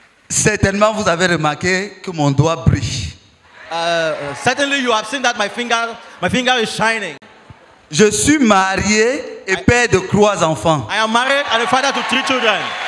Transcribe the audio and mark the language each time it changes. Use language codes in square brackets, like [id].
[fr] Certainement, vous avez remarqué que mon doigt brille. [en] Certainly, you have seen that my finger is shining. [fr] Je suis marié et père de trois enfants. [en] I am married and a father to three children.